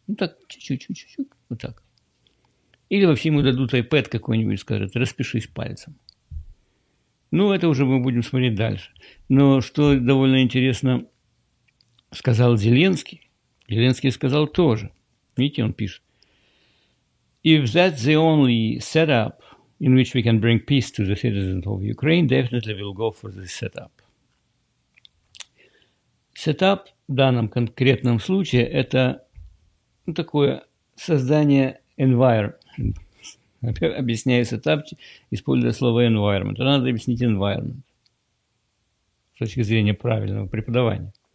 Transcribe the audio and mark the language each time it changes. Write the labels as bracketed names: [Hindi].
[Russian] Ну, так, чуть-чуть, вот так. Или вообще ему дадут iPad какой-нибудь, скажут, распишись пальцем. Ну, это уже мы будем смотреть дальше. Но что довольно интересно, сказал Зеленский. Зеленский сказал тоже. Видите, он пишет. [English] If that's the only setup in which we can bring peace to the citizens of Ukraine, definitely we'll go for this setup. [Russian] Setup в данном конкретном случае – это такое создание environment. Объясняю setup, используя слово environment. Надо объяснить environment с точки зрения правильного преподавания.